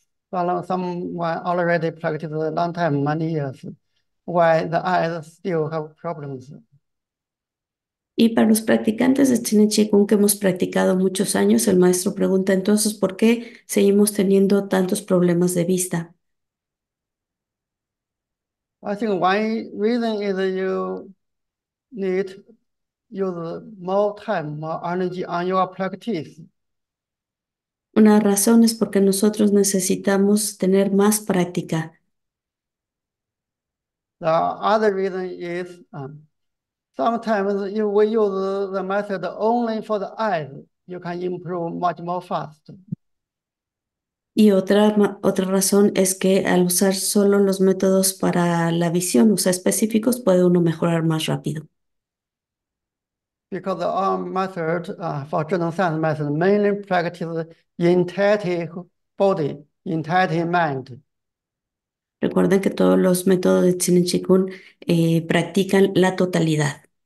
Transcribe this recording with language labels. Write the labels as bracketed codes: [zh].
[en] For someone already practiced a long time, many years, why the eyes still have problems. [es] Y para los practicantes de Qine Qigong que hemos practicado muchos años, el maestro pregunta entonces, ¿por qué seguimos teniendo tantos problemas de vista? [en] I think one reason is that you need use more time, more energy on your practice. [es] Una razón es porque nosotros necesitamos tener más práctica. [en] The other reason is sometimes if we use the method only for the eyes, you can improve much more fast. [es] Y otra razón es que al usar solo los métodos para la visión, o sea, específicos, puede uno mejorar más rápido. [en] Because our method for general science method mainly practices entirety body, entirety mind. [es] Recuerden que todos los métodos de Qin Qigong practican la totalidad.